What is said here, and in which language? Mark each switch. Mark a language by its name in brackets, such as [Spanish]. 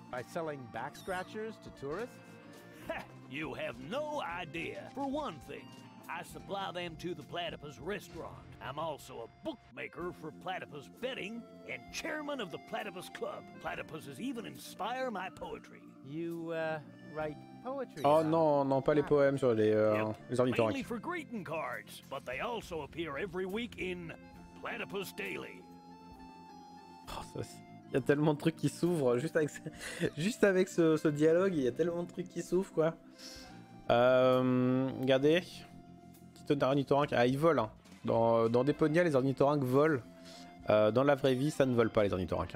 [English] By selling back scratchers to tourists? Ha! You have no idea. For one thing, I supply them to the platypus restaurant. I'm also a bookmaker for platypus betting and chairman of the platypus club. Platypuses even inspire my poetry. You, write poetry? [French] Oh, non, pas les poèmes sur les, les ornithorynques. [English] Mainly for greeting cards, but they also appear every week in Platypus Daily. [French] Il y a tellement de trucs qui s'ouvrent juste avec, juste avec ce dialogue. Il y a tellement de trucs qui s'ouvrent, quoi. Regardez. Petit ornithorynque. Ah, ils volent. Hein. Dans Deponia, les ornithorynques volent. Dans la vraie vie, ça ne vole pas, les ornithorynques.